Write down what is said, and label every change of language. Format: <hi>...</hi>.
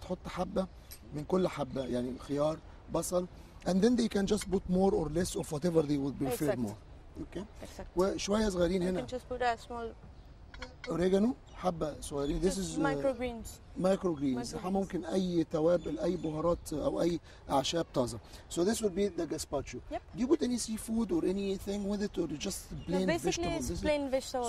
<ar>يعني بتحط حبة من كل حبة، يعني خيار، بصل.</ar> <en>And then they can just put more or less of whatever they would prefer. Exactly. More. Okay. Exactly.</en> <ar>وشوية صغيرين</ar> <en>you</en> <ar>هنا.</ar> <en>You can just put a small</en> <ar>oregano. حبة صغيرين.</ar> <en>This is microgreens. Microgreens.</en> <ar>ممكن أي توابل، أي بهارات أو أي أعشاب طازة.</ar> <en>So this would be the gazpacho. Yep. Do you put any seafood or anything with it, or just plain vegetables? Basically, it's plain vegetables.</en>